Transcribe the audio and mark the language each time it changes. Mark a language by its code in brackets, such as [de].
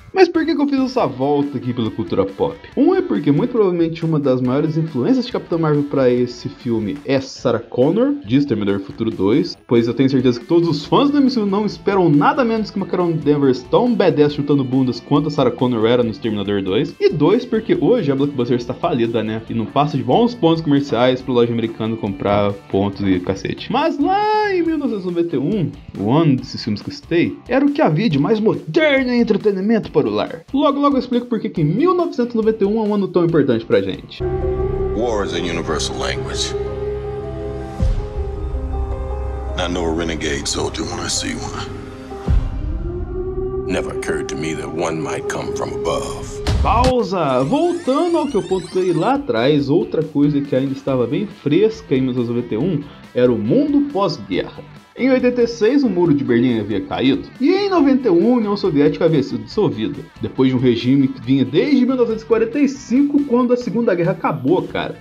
[pt] Mas por que eu fiz essa volta aqui pela cultura pop? É porque muito provavelmente uma das maiores influências de Capitão Marvel para esse filme é Sarah Connor, de Exterminador do Futuro 2, pois eu tenho certeza que todos os fãs do MCU não esperam nada menos que uma Carol Danvers tão badass chutando bundas quanto a Sarah Connor era no Exterminador 2, e dois, porque hoje a Blockbuster está falida, né, e não passa de bons pontos comerciais para loja americana comprar pontos e cacete. Mas lá em 1991, o ano desses filmes que eu citei, era o que havia de mais moderno em entretenimento para o lar. Logo eu explico por que em 1991 é um ano tão importante pra gente. [en] War is a universal language. I know a renegade soldier when I see one. Never occurred to me that one might come from above. [pt] Pausa! Voltando ao que eu pontuei lá atrás, outra coisa que ainda estava bem fresca em 1991 era o mundo pós-guerra. Em 86, o Muro de Berlim havia caído, e em 91, a União Soviética havia sido dissolvida, depois de um regime que vinha desde 1945, quando a Segunda Guerra acabou, cara.